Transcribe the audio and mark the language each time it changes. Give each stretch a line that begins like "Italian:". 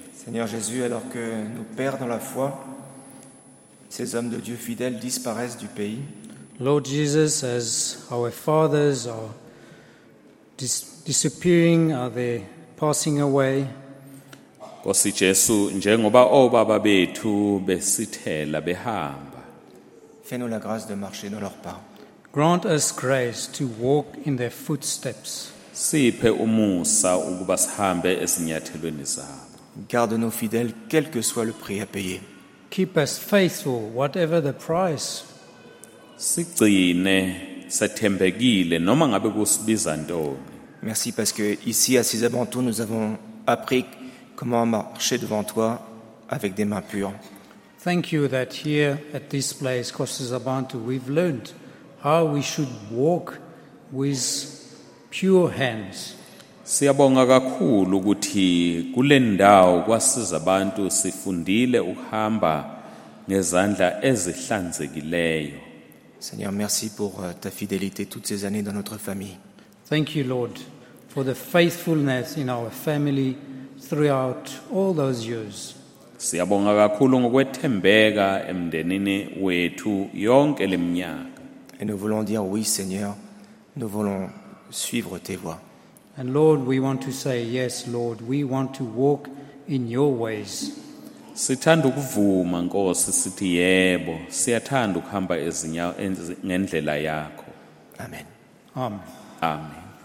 French: Seigneur Jésus, alors que nos pères dans la foi, ces hommes de Dieu fidèles disparaissent du pays.
English: Lord Jesus, as our fathers are disappearing, are they passing away?
Zulu: Nkosi Jesu, njengoba obaba bethu besithela behamba.
French: Fais-nous la grâce de marcher dans leurs pas.
English: Grant us grace to walk in their footsteps.
Zulu: Siphe umusa ukuba sihambe ezinyathelweni zabo.
French: Garde nos fidèles, quel que soit le prix à payer.
English: Keep us faithful, whatever the price.
Zulu: Sigcine sathembekile noma ngabe kusibiza ntoni.
French: Merci parce que ici à Cisabantou nous avons appris comment marcher devant toi avec des mains pures.
English: Thank you that here at this place Cisabantou we've learned how we should walk with pure hands.
Zulu: Siyabonga kakhulu ukuthi kulendawo kwaSizabantu sifundile ukuhamba ngezandla ezihlanzekileyo.
French: Seigneur, merci pour ta fidélité toutes ces années dans notre famille.
English: Thank you, Lord, for the faithfulness in our family throughout all those years.
Zulu: Siyabonga kakhulu ngokwethembeka emndenini wethu yonke leminyaka.
French: Et nous voulons dire oui, Seigneur, nous voulons suivre tes voies.
English: And Lord, we want to say yes, Lord, we want to walk in your ways.
Zulu: Sithanda ukuvuma Nkosi sithi yebo siyathanda ukuhamba ezinyawo ngendlela yakho.
French: Amen.
English: Amen.
Zulu: Amen.